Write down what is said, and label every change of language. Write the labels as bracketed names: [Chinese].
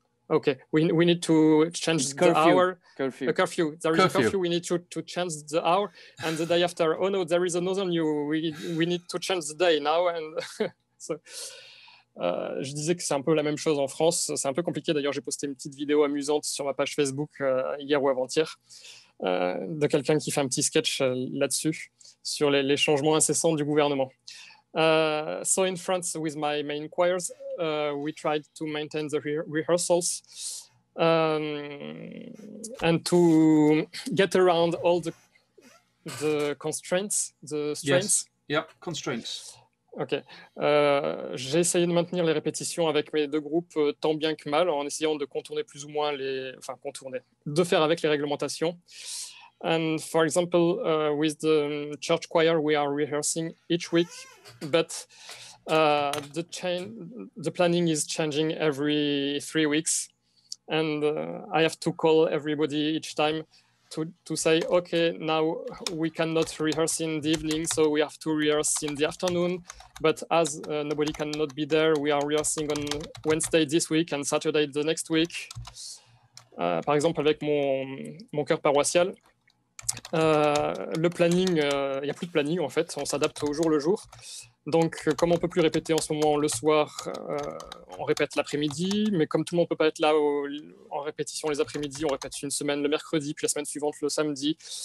[English] Okay, we need to change the hour. Curfew. A curfew. There is curfew. A curfew. We need to change the hour. And the day after, oh, no, there is another news. We need to change the day now. And so... [French] je disais que c'est un peu la même chose en France, c'est un peu compliqué. D'ailleurs, j'ai posté une petite vidéo amusante sur ma page Facebook hier ou avant-hier de quelqu'un qui fait un petit sketch là-dessus sur les changements incessants du gouvernement. [English] So in France, with my main choirs, we tried to maintain the rehearsals and to get around all the constraints, the strains. Yes. Yeah, constraints. Ok. [French] J'ai essayé de maintenir les répétitions avec mes deux groupes tant bien que mal, en essayant de contourner plus ou moins les... Enfin, contourner. De faire avec les réglementations. [English] And for example, with the church choir, we are rehearsing each week, but the planning is changing every 3 weeks. And I have to call everybody each time to say, okay, now we cannot rehearse in the evening, so we have to rehearse in the afternoon. But as nobody cannot be there, we are rehearsing on Wednesday this week and Saturday the next week. [French] Par exemple, avec mon chœur paroissial, le planning, il n'y a plus de planning, en fait. On s'adapte au jour le jour. Donc, comme on ne peut plus répéter en ce moment le soir, on répète l'après-midi. Mais comme tout le monde ne peut pas être là en répétition les après-midi, on répète une semaine le mercredi, puis la semaine suivante le samedi.